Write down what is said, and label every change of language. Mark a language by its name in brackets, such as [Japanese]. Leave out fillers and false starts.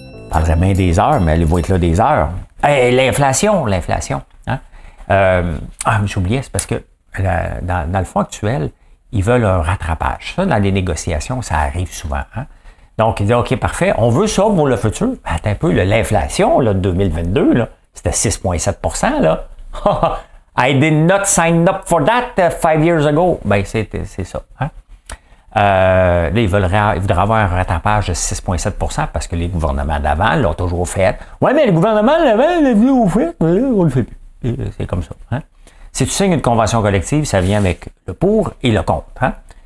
[French] Je parlerais bien des heures, mais elle va être là des heures. Hey, l'inflation. Hein? J'oubliais, c'est parce que dans le fond actuel, ils veulent un rattrapage. Ça, dans les négociations, ça arrive souvent. Hein? Donc, ils disent, OK, parfait, on veut ça pour le futur. Attends un peu, l'inflation là, de 2022, là, c'était 6,7%. Là. [English] I did not sign up for that 5 years ago. [French] Ben, c'est ça. Hein? Là, ils voudraient avoir un rattrapage de 6,7% parce que les gouvernements d'avant l'ont toujours fait. Ouais, mais le gouvernement d'avant l'a vu au fait, on le fait plus. C'est comme ça. Hein? Si tu signes une convention collective, ça vient avec le pour et le contre. Hein?